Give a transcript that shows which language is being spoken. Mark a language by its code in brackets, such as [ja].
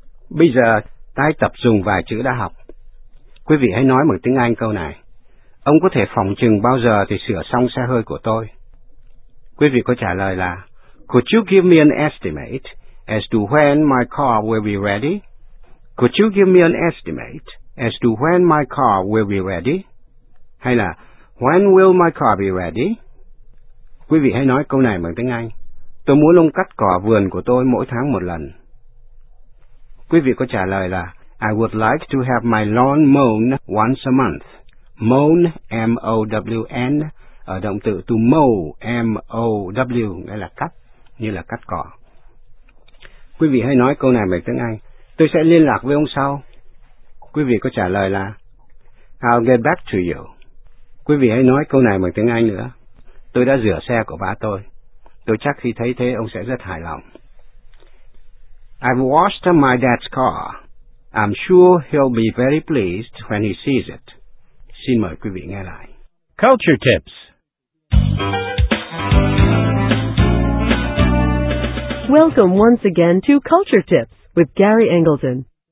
[vi] Bây giờ, tái tập dùng vài chữ đã học. Quý vị hãy nói bằng tiếng Anh câu này. Ông có thể phòng chừng bao giờ thì sửa xong xe hơi của tôi? Quý vị có trả lời là, [en] could you give me an estimate as to when my car will be ready? Could you give me an estimate as to when my car will be ready? [vi] Hay là, [en] when will my car be ready? [vi] Quý vị hãy nói câu này bằng tiếng Anh. Tôi muốn ông cắt cỏ vườn của tôi mỗi tháng một lần. Quý vị có trả lời là, [en] I would like to have my lawn mown once a month. [vi] Mown, M-O-W-N, ở động từ to mow, M-O-W, nghĩa là cắt, như là cắt cỏ. Quý vị hãy nói câu này bằng tiếng Anh. Tôi sẽ liên lạc với ông sau. Quý vị có trả lời là, [en] I'll get back to you. [vi] Quý vị hãy nói câu này bằng tiếng Anh nữa. Tôi đã rửa xe của ba tôi. Tôi chắc khi thấy thế ông sẽ rất hài lòng. [en] I've washed my dad's car. I'm sure he'll be very pleased when he sees it. [vi] Xin mời quý vị nghe lại. [en] Culture Tips. Welcome once again to Culture Tips with Gary Engleton.